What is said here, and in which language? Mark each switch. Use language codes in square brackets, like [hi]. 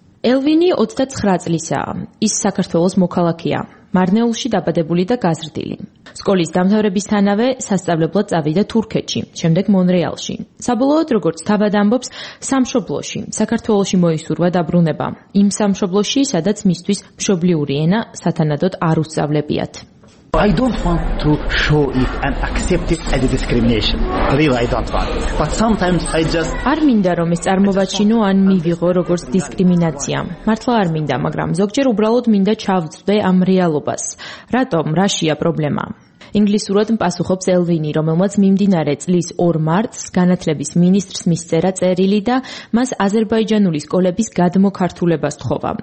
[ka] ელვინი 29 წლისაა, ის საქართველოს მოქალაქეა, მარნეულში დაბადებული და გაზრდილი. სკოლის დამთავრებისთანავე სასწავლებლად წავიდა თურქეთში, შემდეგ მონრეალში. საბოლოოდ, როგორც თავად ამბობს, სამშობლოში, საქართველოში მოისურვა დაბრუნება. იმ სამშობლოში, სადაც მისთვის მშობლიური ენა სათანადოდ არ უსწავლებიათ. [en] I don't want to show it and accept it as a discrimination. Really, I don't want it. But sometimes I just... [ka] არ მინდა რომ ეს წარმოვაჩინო ან მივიღო როგორც დისკრიმინაცია. მართლა არ მინდა, მაგრამ ზოგჯერ უბრალოდ მინდა ჩავწვდე ამ რეალობას. რატომ? რაშია პრობლემა? ინგლისურად პასუხობს ელვინი, რომელმაც მიმდინარე წლის 2 მარტს განათლების მინისტრს მისწერა წერილი და მას აზერბაიჯანული სკოლების გადმოქართულება სთხოვა.